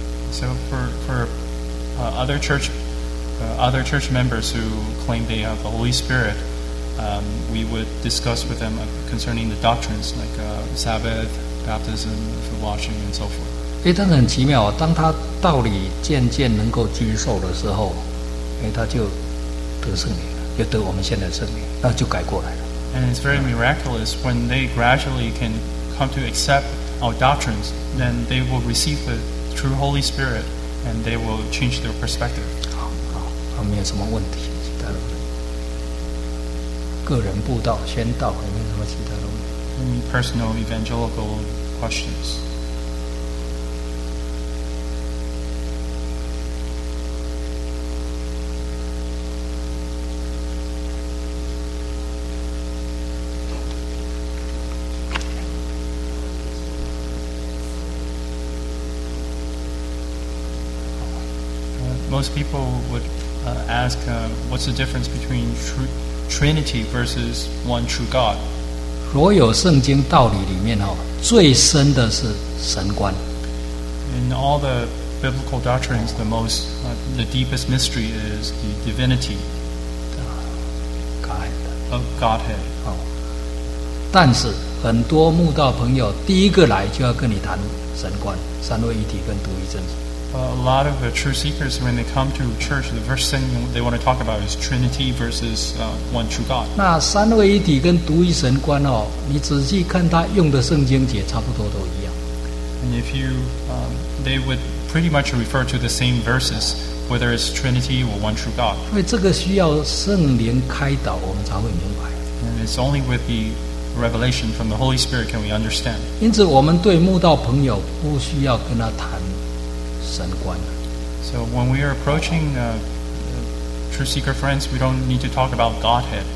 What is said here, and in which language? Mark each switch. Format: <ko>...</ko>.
<en>So for other church members who claim they have the Holy Spirit, we would discuss with them concerning the doctrines like Sabbath, baptism, food washing, and so forth.</en> <zh>但是很奇妙，当他道理渐渐能够接受的时候，他就得圣灵了，就得我们现在圣灵，那就改过来了。</zh> <en>And it's very miraculous when they gradually can come to accept our doctrines, then they will receive the true Holy Spirit, and they will change their perspective.</en> <zh>好，没有什么问题，其他的问题。个人布道、宣道，有没有什么其他的问题？</zh> <en>Any personal evangelical questions? Most people would ask, what's the difference between Trinity versus one true God?</en> <zh>所有圣经道理里面，最深的是神观。</zh> <en>In all the biblical doctrines, the deepest mystery is the divinity of Godhead.</en> <zh>但是很多慕道朋友第一个来就要跟你谈神观，三位一体跟独一真神。</zh> <en>A lot of the true seekers, when they come to church, the first thing they want to talk about is Trinity versus one true God.</en> <zh>那三位一体跟独一神观哦, 你仔细看他用的圣经节差不多都一样。</zh> <en>And if you, they would pretty much refer to the same verses, whether it's Trinity or one true God.</en> <zh>因为这个需要圣灵开导我们才会明白。</zh> <en>And it's only with the revelation from the Holy Spirit can we understand.</en> <zh>因此我们对慕道朋友不需要跟他谈。</zh> <en>So when we are approaching true seeker friends, we don't need to talk about Godhead.</en>